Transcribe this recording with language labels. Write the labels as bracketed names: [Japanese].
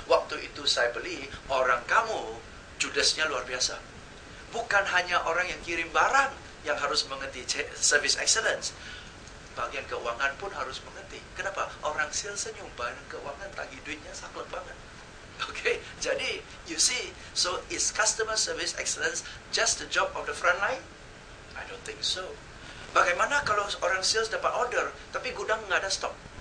[Indonesian] Waktu itu saya beli, orang kamu judesnya luar biasa. Bukan hanya orang yang kirim barang yang harus mengerti service excellence, bagian keuangan pun harus mengerti. Kenapa? Orang sales senyum, bagian keuangan tagih duitnya saklek banget. [English] Okay, jadi you see, so is customer service excellence just the job of the front line? I don't think so. [Indonesian] Bagaimana kalau orang sales dapat order tapi gudang nggak ada stok?